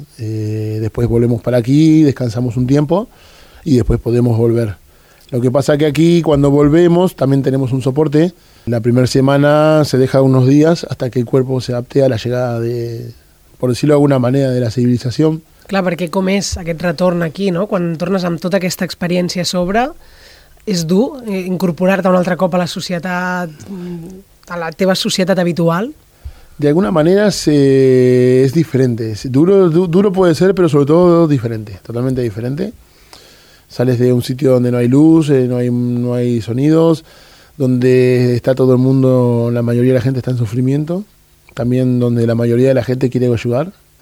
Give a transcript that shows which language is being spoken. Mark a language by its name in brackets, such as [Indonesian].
[Spanish] Después volvemos para aquí, descansamos un tiempo y después podemos volver. Lo que pasa es que aquí, cuando volvemos, también tenemos un soporte. La primera semana se deja unos días hasta que el cuerpo se adapte a la llegada de, por decirlo de alguna manera, de la civilización. [Catalan] Clar, perquè com és aquest retorn aquí, no? Quan tornes amb tota aquesta experiència a sobre, és dur incorporar-te un altre cop a la societat, a la teva societat habitual? [Spanish] De alguna manera es diferente. Duro puede ser, pero sobre todo diferente, totalmente diferente. Sales de un sitio donde no hay luz, no hay sonidos, donde está todo el mundo, la mayoría de la gente está en sufrimiento, también donde la mayoría de la gente quiere ayudar.